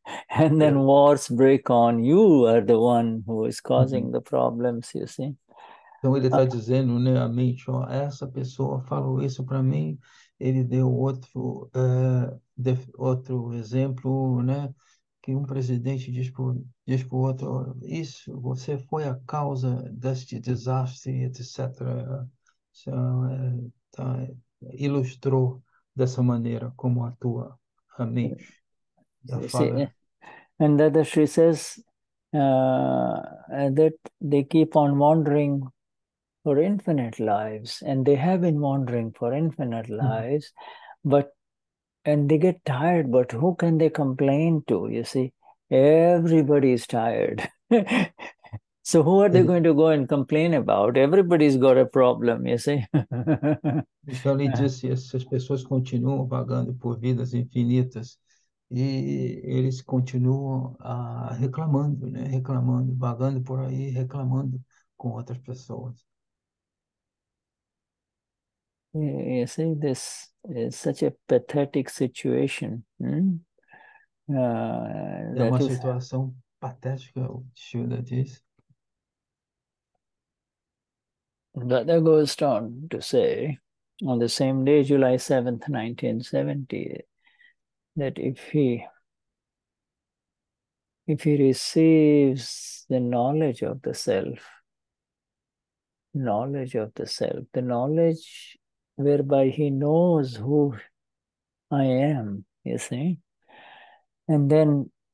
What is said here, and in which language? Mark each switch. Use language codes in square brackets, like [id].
[en] And then wars break on. You are the one who is causing the problems. You see. [pt] Então ele está dizendo, né, a mente, ó, essa pessoa falou isso para mim. Ele deu outro exemplo, né? Que um presidente diz para o outro, isso, você foi a causa deste desastre, etc. Tá, ilustrou dessa maneira como atua a mente, a fala. [en] And that the Shri says that they keep on wandering for infinite lives, and they have been wandering for infinite lives, and they get tired, but who can they complain to? You see, everybody is tired. So who are they going to go and complain about? Everybody's got a problem, you see. [pt] Então ele disse, essas pessoas continuam vagando por vidas infinitas, e eles continuam reclamando, né? Reclamando, vagando por aí, reclamando com outras pessoas. [en] You see, this is such a pathetic situation. [pt] É uma [en] That is. [pt] situação patética, o Shuddha diz. [en] Dada goes on to say, on the same day, July 7th, 1970, that if he receives the knowledge of the self, knowledge of the self, the knowledge whereby he knows who I am, you see, and then